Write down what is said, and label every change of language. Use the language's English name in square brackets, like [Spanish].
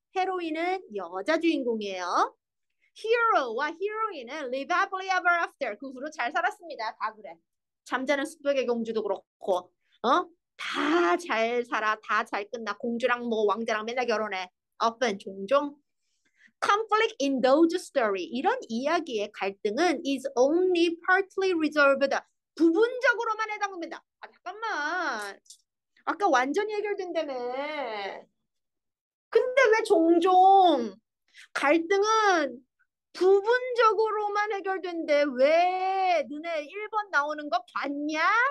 [Korean] heroine은 여자 주인공이에요. hero와 heroine은 [English] live happily ever after. [Korean] 그 후로 잘 살았습니다. 다 그래. 잠자는 숲의 공주도 그렇고, 어? 다 잘 살아, 다 잘 끝나. 공주랑 뭐 왕자랑 맨날 결혼해. often, 종종. [English] Conflict in those story [Korean] 이런 이야기의 갈등은 [English] is only partly resolved [Korean] 부분적으로만 해당됩니다. 아 잠깐만 아까 완전히 해결된다며 근데 왜 종종 갈등은 부분적으로만 해결된대 왜 눈에 1번 나오는 거 봤냐?